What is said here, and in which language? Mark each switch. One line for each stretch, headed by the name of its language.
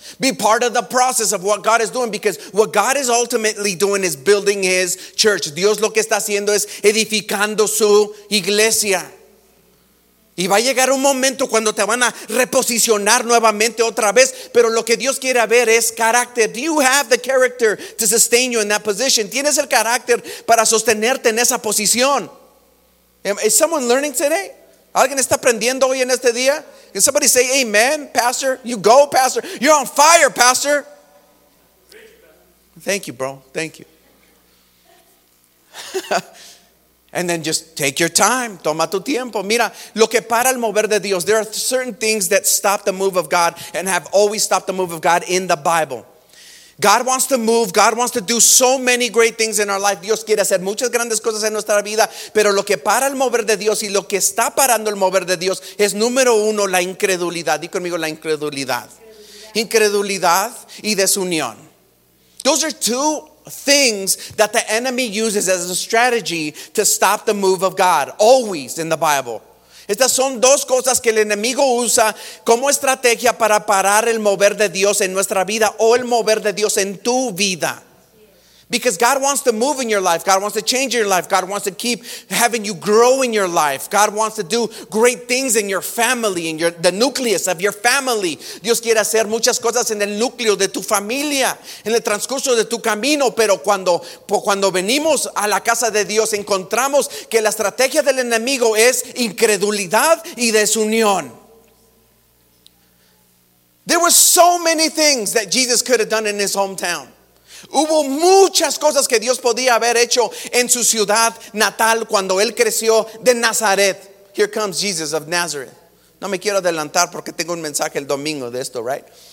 English: Be part of the process of what God is doing, because what God is ultimately doing is building his church.
Spanish: Dios lo que está haciendo es edificando su iglesia. Y va a llegar un momento cuando te van a reposicionar nuevamente otra vez, pero lo que Dios quiere ver es carácter.
English: Do you have the character to sustain you in that position?
Spanish: ¿Tienes el carácter para sostenerte en esa posición?
English: Is someone learning today?
Spanish: ¿Alguien está aprendiendo hoy en este día?
English: Can somebody say amen, pastor? You go, pastor. You're on fire, pastor. Thank you, bro. Thank you. And then just take your time.
Spanish: Toma tu tiempo. Mira, lo que para el mover de Dios.
English: There are certain things that stop the move of God and have always stopped the move of God in the Bible. God wants to move. God wants to do so many great things in our life.
Spanish: Dios quiere hacer muchas grandes cosas en nuestra vida. Pero lo que para el mover de Dios y lo que está parando el mover de Dios es, número uno, la incredulidad. Di conmigo, la incredulidad. Incredulidad y desunión.
English: Those are two things that the enemy uses as a strategy to stop the move of God, always in the Bible.
Spanish: Estas son dos cosas que el enemigo usa como estrategia para parar el mover de Dios en nuestra vida o el mover de Dios en tu vida.
English: Because God wants to move in your life. God wants to change your life. God wants to keep having you grow in your life. God wants to do great things in your family, in your the nucleus of your family.
Spanish: Dios quiere hacer muchas cosas en el núcleo de tu familia, en el transcurso de tu camino. Pero cuando venimos a la casa de Dios, encontramos que la estrategia del enemigo es incredulidad y desunión.
English: There were so many things that Jesus could have done in his hometown.
Spanish: Hubo muchas cosas que Dios podía haber hecho en su ciudad natal cuando él creció de Nazaret.
English: Here comes Jesus of Nazareth.
Spanish: No me quiero adelantar porque tengo un mensaje el domingo de esto, right?